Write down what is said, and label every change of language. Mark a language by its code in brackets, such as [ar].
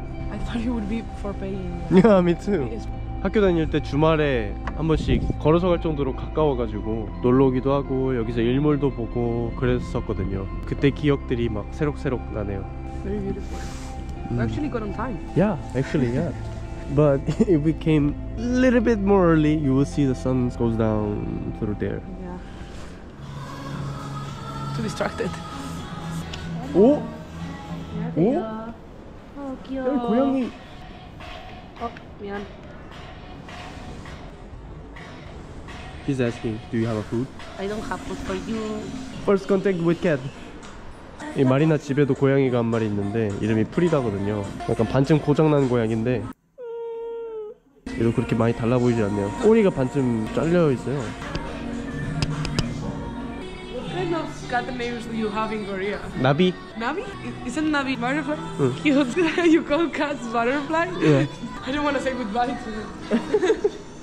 [en] I thought it would be for pain. Yeah, me too. [ko] 학교 다닐 때 주말에 한 번씩 걸어서 갈 정도로 가까워가지고 놀러오기도 하고 여기서 일몰도 보고 그랬었거든요. 그때 기억들이 막 새록새록 나네요. [en] Very beautiful. Actually got on time. Yeah, actually, yeah. But if we came a little bit more early, you will see the sun goes down through there. Yeah. Too distracted. [ko] 오? 오? 귀여워. 여기 고양이. 어, 미안. [en] He's asking, do you have a food? I don't have food for you. First contact with cat. [ko] 이 마리나 집에도 고양이가 한 마리 있는데 이름이 프리다거든요. 약간 반쯤 고장난 고양인데 얘도 그렇게 많이 달라 보이지 않네요. 꼬리가 반쯤 잘려 있어요. [en] What kind of cat names do you have in Korea? [ko] 나비. [en] 나비? Isn't 나비 butterfly? [ko] 응. [en] Cute. You call cats butterfly? Yeah. I don't want to say goodbye to them.